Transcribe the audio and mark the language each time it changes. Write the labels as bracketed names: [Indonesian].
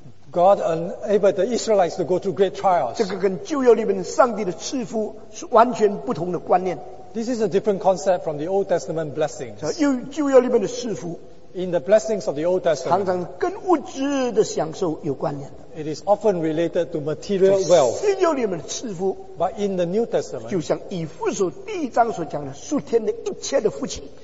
[English] God enabled the Israelites to go through great trials. [Chinese] 这个跟旧约里面上帝的赐福是完全不同的观念。 [English] This is a different concept from the Old Testament blessings. [Chinese] 旧约里面的赐福, [English] in the blessings of the Old Testament, [Chinese] 常常跟物质的享受有关联的, [English] It is often related to material wealth. But in the New Testament, [Chinese] 就像以弗所第一章所讲的，属天的一切的福气。